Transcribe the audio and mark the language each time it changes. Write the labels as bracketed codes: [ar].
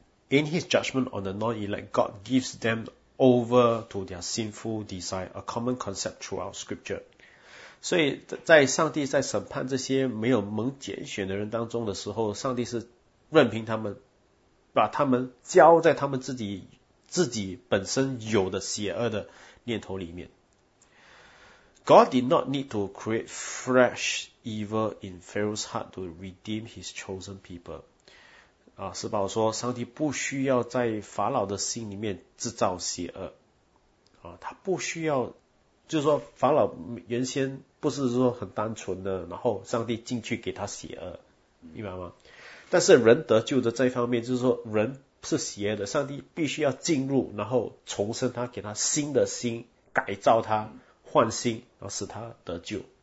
[en] In his judgment on the non-elect, God gives them over to their sinful desire, a common concept throughout scripture. [zh] 所以在上帝在审判这些没有蒙拣选的人当中的时候，上帝是任凭他们，把他们交在他们自己本身有的邪恶的念头里面。 [en] God did not need to create fresh evil in Pharaoh's heart to redeem his chosen people. [zh] 施暴说上帝不需要在法老的心里面制造邪恶他不需要，就是说法老原先不是说很单纯的，然后上帝进去给他邪恶，明白吗？但是人得救的这一方面，就是说人是邪恶的，上帝必须要进入，然后重生他，给他新的心，改造他，换心，然后使他得救。